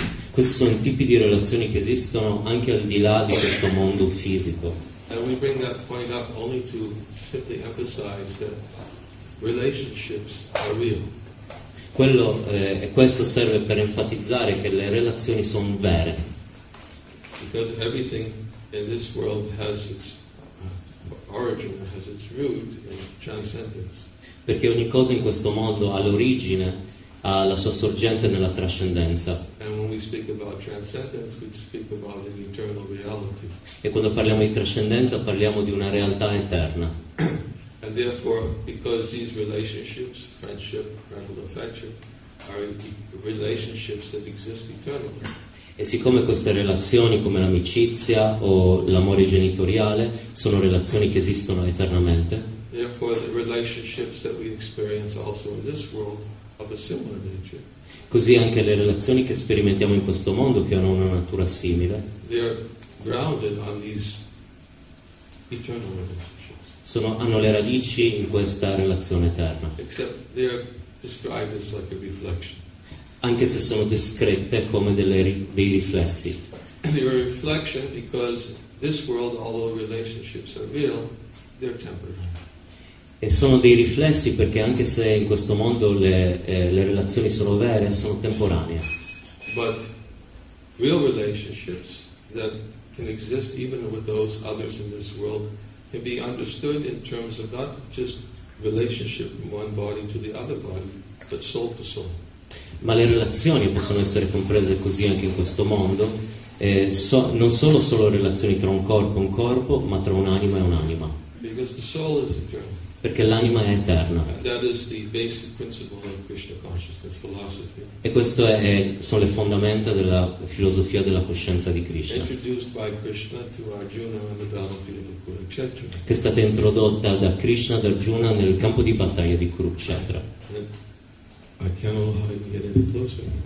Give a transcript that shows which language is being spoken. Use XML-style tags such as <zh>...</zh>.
<it>Questi sono i tipi di relazioni che esistono anche al di là di questo mondo fisico.</it> <en>And we bring that point up only to simply emphasize that relationships are real.</en> <it>Quello e questo serve per enfatizzare che le relazioni sono vere.</it> <en>Because everything in this world has its origin, has its root in transcendence.</en> <it>Perché ogni cosa in questo mondo ha l'origine, ha la sua sorgente nella trascendenza.</it> <en>And when we speak about transcendence, we speak about an eternal reality.</en> <it>E quando parliamo di trascendenza parliamo di una realtà eterna.</it> <en>And therefore, because these relationships, friendship, parental affection, are relationships that exist eternally.</en> <it>E siccome queste relazioni, come l'amicizia o l'amore genitoriale, sono relazioni che esistono eternamente.</it> <en>Therefore, the relationships that we experience also in this world of a similar nature.</en> <it>Così anche le relazioni che sperimentiamo in questo mondo, che hanno una natura simile,</it> <en>they are grounded on these eternal relationships.</en> <it>Sono, hanno le radici in questa relazione eterna.</it> <en>Except they are described as like a reflection.</en> <it>Anche se sono descritte come delle, dei riflessi.</it> <en>They are a reflection because this world, although relationships are real, they're temporary.</en> <it>E sono dei riflessi perché anche se in questo mondo le relazioni sono vere, sono temporanee.</it> <en>But real relationships that can exist even with those others in this world can be understood in terms of not just relationship from one body to the other body, but soul to soul.</en> <it>Ma le relazioni possono essere comprese così anche in questo mondo, non solo solo relazioni tra un corpo, ma tra un'anima e un'anima.</it> <en>Because the soul is eternal.</en> <it>Perché l'anima è eterna.</it> <en>And that is the basic principle of Krishna consciousness philosophy.</en> <it>E questo è sono le fondamenta della filosofia della coscienza di Krishna.</it> <en>Introduced by Krishna to Arjuna on the battlefield of Kurukshetra.</en> <it>Che è stata introdotta da Krishna ad Arjuna nel campo di battaglia di Kurukshetra.</it> <en>I can't allow you to get any closer.</en>